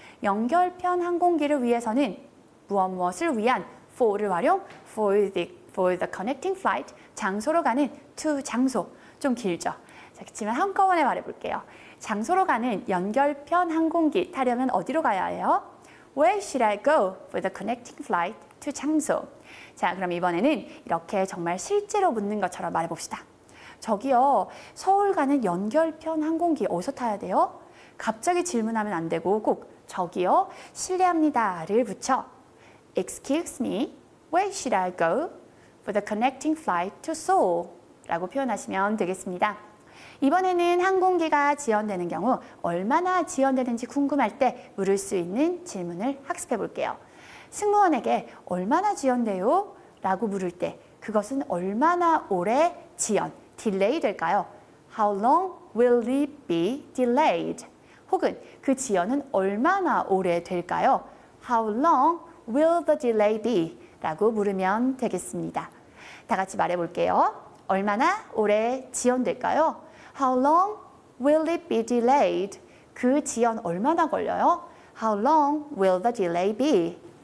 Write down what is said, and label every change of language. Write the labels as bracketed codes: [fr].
[ko] 연결편 항공기를 위해서는 무엇무엇을 위한 for를 활용, [en] for the connecting flight, [ko] 장소로 가는 to, 장소, 좀 길죠? 자, 그렇지만 한꺼번에 말해볼게요. 장소로 가는 연결편 항공기 타려면 어디로 가야 해요? [en] Where should I go for the connecting flight to 장소? [ko] 자, 그럼 이번에는 이렇게 정말 실제로 묻는 것처럼 말해봅시다. 저기요, 서울 가는 연결편 항공기 어디서 타야 돼요? 갑자기 질문하면 안 되고 꼭 저기요, 실례합니다를 붙여 [en] Excuse me, where should I go for the connecting flight to Seoul? [ko] 라고 표현하시면 되겠습니다. 이번에는 항공기가 지연되는 경우 얼마나 지연되는지 궁금할 때 물을 수 있는 질문을 학습해 볼게요. 승무원에게 얼마나 지연돼요? 라고 물을 때 그것은 얼마나 오래 지연, delay 될까요? [en] How long will it be delayed? [ko] 혹은 그 지연은 얼마나 오래 될까요? [en] How long will the delay be? [ko] 라고 물으면 되겠습니다. 다 같이 말해 볼게요. 얼마나 오래 지연될까요? [en] How long will it be delayed? [ko] 그 지연 얼마나 걸려요? [en] How long will the delay be?